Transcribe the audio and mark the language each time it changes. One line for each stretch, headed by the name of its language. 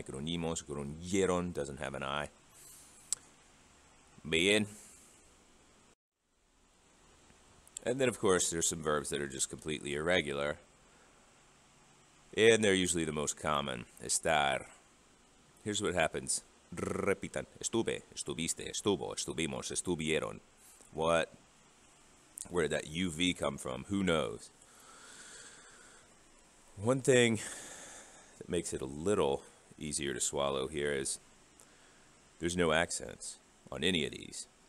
English: Gruñimos, gruñieron doesn't have an I. Bien. And then, of course, there's some verbs that are just completely irregular. And they're usually the most common. Estar. Here's what happens. Repitan.
Spanish: Estuve, estuviste, estuvo, estuvimos, estuvieron.
English: What? Where did that UV come from? Who knows? One thing that makes it a little easier to swallow here is there's no accents on any of these.